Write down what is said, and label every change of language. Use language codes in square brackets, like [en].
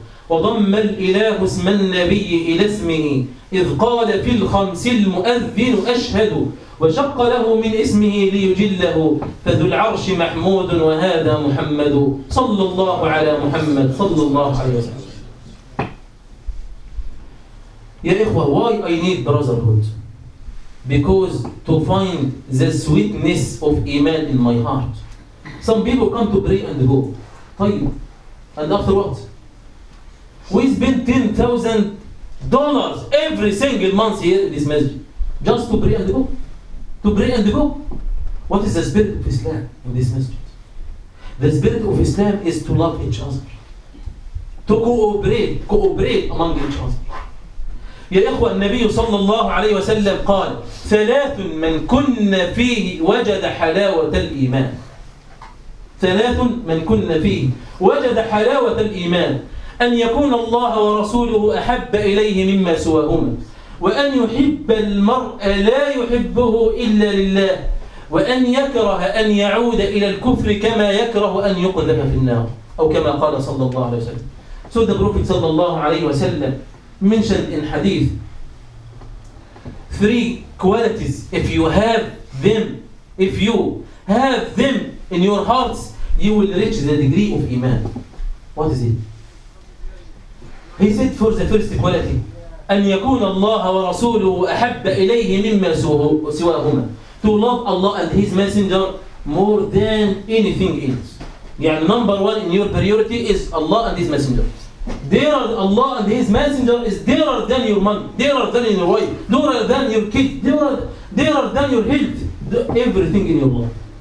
[ar] وضم الإله اسم النبي إلى اسمه إذ قال في الخمس المؤذن أشهد وشق له من اسمه ليجله فذو العرش محمود وهذا محمد صلى الله على محمد صلى الله عليه وسلم. يا إخوة, [en] why I need brotherhood? Because to find the sweetness of Iman in my heart. Some people come to pray and go. And after what? We spend $10,000 every single month here in this masjid. Just to pray and go. To pray and go. What is the spirit of Islam in this masjid? The spirit of Islam is to love each other. To cooperate among each other. [ar] يا إخوة, النبي صلى الله عليه وسلم قال ثلاث من كن فيه وجد حلاوة الإيمان. ثلاث من كن فيه وجد حلاوة الإيمان: أن يكون الله ورسوله أحب إليه مما سواهما, وأن يحب المرء لا يحبه إلا لله, وأن يكره أن يعود إلى الكفر كما يكره أن يقذف في النار, أو كما قال صلى الله عليه وسلم. [en] So the Prophet صلى الله عليه وسلم mentioned in hadith three qualities. If you have them, if you have them in your hearts, you will reach the degree of Iman. What is it? He said for the first quality, [ar] أن يكون الله ورسوله أحب إليه مما سواهما. [en] To love Allah and His Messenger more than anything else. يعني number one in your priority is Allah and His Messenger. Dearer Allah and His Messenger is dearer than your money, dearer than your wife, dearer than your kids, dearer than your health, everything in your life.